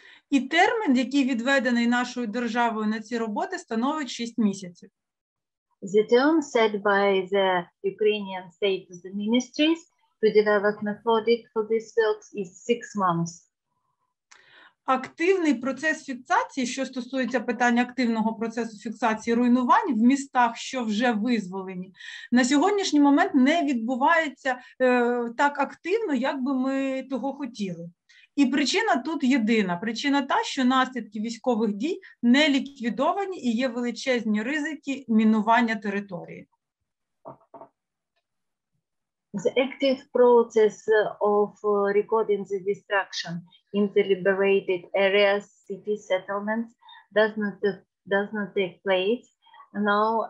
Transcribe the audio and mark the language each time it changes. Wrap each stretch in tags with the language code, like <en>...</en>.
<uk>І термін, який відведений нашою державою на ці роботи, становить 6 місяців.</uk> <en>The term set by the Ukrainian state to the ministries to develop methodic for this work is 6 months.</en> <uk>Активний процес фіксації, що стосується питання активного процесу фіксації руйнувань в містах, що вже визволені, на сьогоднішній момент не відбувається так активно, як би ми того хотіли. І причина тут єдина. Причина та, що наслідки військових дій не ліквідовані і є величезні ризики мінування території.</uk> <en>The active process of recording the destruction in the liberated areas, city settlements, does not take place now.</en>